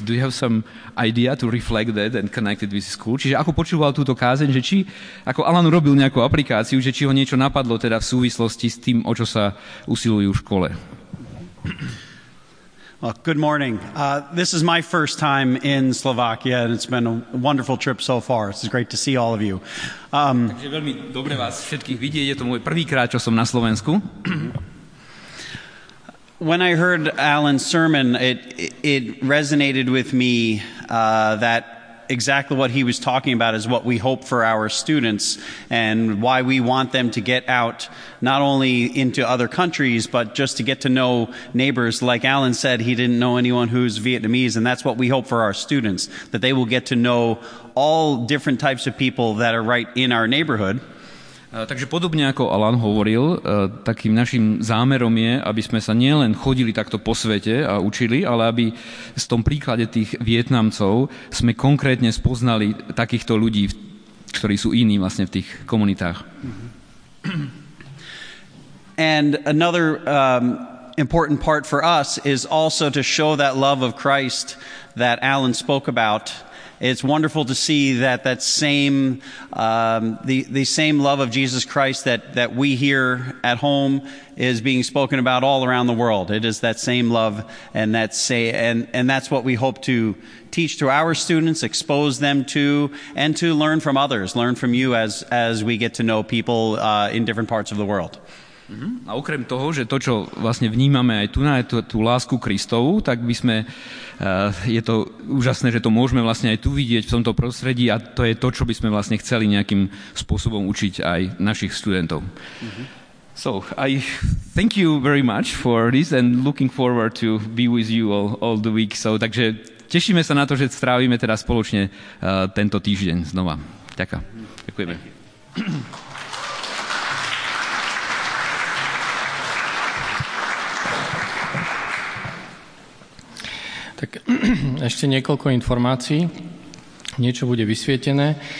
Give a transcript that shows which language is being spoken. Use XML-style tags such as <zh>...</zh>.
<en>Do you have some idea to reflect that and connect it with school?</en> <sk>Čiže ako počúval túto kázeň, že či ako Alan robil nejakú aplikáciu, že či ho niečo napadlo teda v súvislosti s tým, o čo sa usilujú v škole?</sk> <en>Well, good morning. This is my first time in Slovakia, and it's been a wonderful trip so far. It's great to see all of you.</en> <sk>Takže veľmi dobre vás všetkých vidieť. Je to môj prvýkrát, čo som na Slovensku.</sk> <en>When I heard Alan's sermon, it resonated with me that exactly what he was talking about is what we hope for our students and why we want them to get out not only into other countries but just to get to know neighbors. Like Alan said, he didn't know anyone who's Vietnamese, and that's what we hope for our students, that they will get to know all different types of people that are right in our neighborhood.</en> <sk>Takže podobne ako Alan hovoril, takým našim zámerom je, aby sme sa nielen chodili takto po svete a učili, ale aby v tom príklade tých Vietnamcov sme konkrétne spoznali takýchto ľudí, ktorí sú iní vlastne v tých komunitách.</sk> <en>And another important part for us is also to show that love of Christ that Alan spoke about. It's wonderful to see that same the same love of Jesus Christ that we hear at home is being spoken about all around the world. It is that same love, and that's what we hope to teach to our students, expose them to, and to learn from others, learn from you as we get to know people in different parts of the world.</en> <sk>A okrem toho, že to, čo vlastne vnímame aj tu na tú lásku Kristovu, tak by sme, je to úžasné, že to môžeme vlastne aj tu vidieť v tomto prostredí a to je to, čo by sme vlastne chceli nejakým spôsobom učiť aj našich študentov. Mm-hmm.</sk> <en>So, I thank you very much for this and looking forward to be with you all the week.</en> <sk>So, takže tešíme sa na to, že strávime teda spoločne tento týždeň znova. Ďakujeme.</sk> <en>Thank you.</en> <sk>Tak ešte niekoľko informácií. Niečo bude vysvietené.</sk>